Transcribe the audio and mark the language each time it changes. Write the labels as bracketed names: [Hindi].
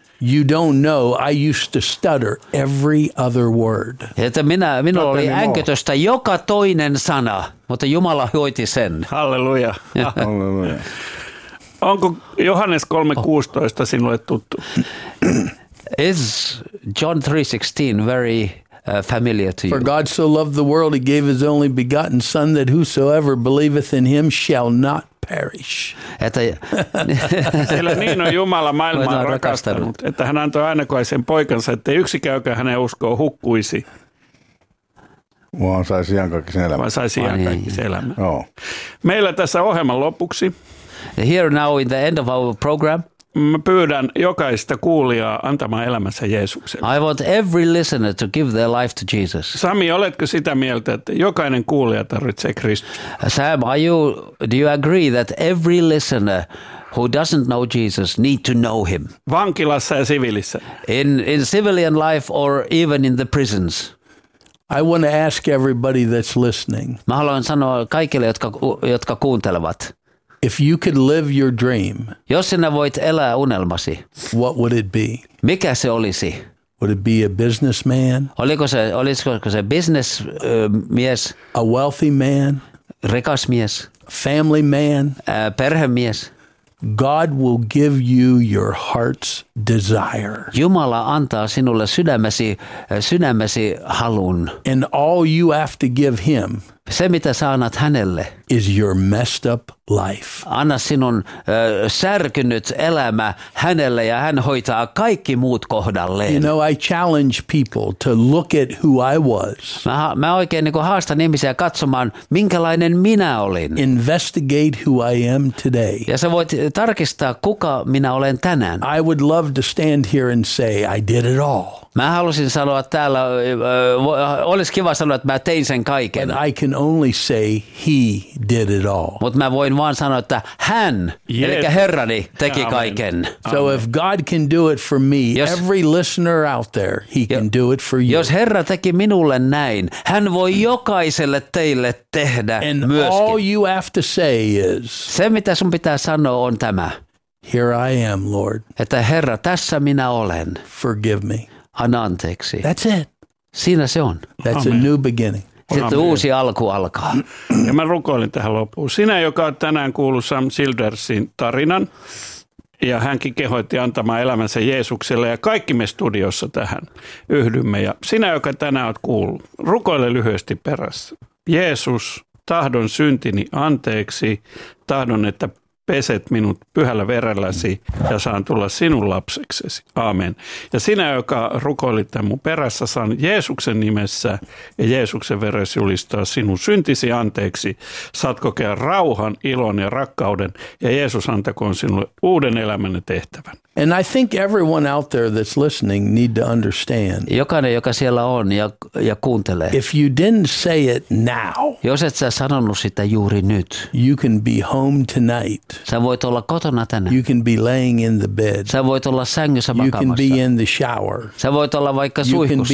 [English] You don't know, I used to stutter every other word. [Finnish] Että minulla oli änkytystä joka toinen sana, mutta Jumala hoiti sen. Halleluja. Halleluja. Onko Johannes 3:16 sinulle tuttu? [English] Is John 3:16 very familiar to you? For God so loved the world, he gave his only begotten son that whosoever believeth in him shall not perish. [Finnish] Että sillä niin on Jumala maailmaa rakastanut, että hän antoi ainakaisen poikansa, että yksikäänkään hänen uskoa hukkuisi. Vaan saisi iankaikkisen elämän. Oh. Meillä tässä ohjelman lopuksi. [English] Here now in the end of our program. [Finnish] Mä pyydän jokaista kuulijaa antamaan elämänsä Jeesukselle. [English] I want every listener to give their life to Jesus. [Finnish] Sami, oletko sitä mieltä, että jokainen kuulija tarvitsee Kristusta? [English] Sam, do you agree that every listener who doesn't know Jesus need to know him? [Finnish] Vankilassa ja siviilissä. [English] In civilian life or even in the prisons. I want to ask everybody that's listening. [Finnish] Mä haluan sanoa kaikille, jotka kuuntelevat. [English] If you could live your dream, [Finnish] jos sinä voit elää unelmasi, [English] what would it be? [Finnish] Mikä se olisi? [English] Would it be a businessman? [Finnish] Olisiko se business mies? [English] A wealthy man? [Finnish] Rikas mies? [English] Family man? [Finnish] Perhemies? [English] God will give you your heart's desire. [Finnish] Jumala antaa sinulle sydämesi halun. [English] And all you have to give him. [Finnish] Se, mitä sä annat hänelle, [English] is your messed up life. [Finnish] Anna sinun särkynyt elämä hänelle ja hän hoitaa kaikki muut kohdalleen. [English] You know, I challenge people to look at who I was. [Finnish] Mä oikein niin kuin haastan ihmisiä katsomaan, minkälainen minä olin. [English] Investigate who I am today. [Finnish] Ja sä voit tarkistaa, kuka minä olen tänään. [English] I would love to stand here and say, I did it all. [Finnish] Mä halusin sanoa täällä, olisi kiva sanoa, että mä tein sen kaiken. [English] But I can only say he did it all. [Finnish] Mutta mä voin vaan sanoa, että hän, [English] yes. [Finnish] Eli Herrani, teki Amen. Kaiken. [English] So Amen. If God can do it for me, [Finnish] jos, [English] every listener out there, he can do it for you. [Finnish] Jos Herra teki minulle näin, hän voi jokaiselle teille tehdä [English] And [Finnish] myöskin. [English] All you have to say is, [Finnish] se, mitä sun pitää sanoa, on tämä. [English] Here I am, Lord. [Finnish] Että Herra, tässä minä olen. [English] Forgive me. [Finnish] Anna anteeksi. [English] That's it. [Finnish] Siinä se on. [English] That's Amen. A new beginning. [Finnish] Sitten uusi alku alkaa. Ja mä rukoilin tähän loppuun. Sinä, joka olet tänään kuullut Sam Sildersin tarinan, ja hänkin kehoitti antamaan elämänsä Jeesukselle, ja kaikki me studiossa tähän yhdymme. Ja sinä, joka tänään olet kuullut, rukoile lyhyesti perässä. Jeesus, tahdon syntini anteeksi, tahdon, että peset minut pyhällä verelläsi ja saan tulla sinun lapseksesi. Aamen. Ja sinä, joka rukoilit tämän mun perässä, saan Jeesuksen nimessä ja Jeesuksen veressä julistaa sinun syntisi anteeksi. Saat kokea rauhan, ilon ja rakkauden ja Jeesus antakoon sinulle uuden elämän ja tehtävän. [English] And I think everyone out there that's listening need to understand. [Finnish] Jokainen, joka siellä on ja kuuntelee. [English] If you didn't say it now. [Finnish] Jos et sä sanonut sitä juuri nyt. [English] You can be home tonight. [Finnish] Sä voit olla kotona tänään. [English] You can be laying in the bed. [Finnish] Sä voit olla sängyssä makaamassa. [English] You can be in the shower. [Finnish] Sä voit olla vaikka [English] you [Finnish] suihkussa.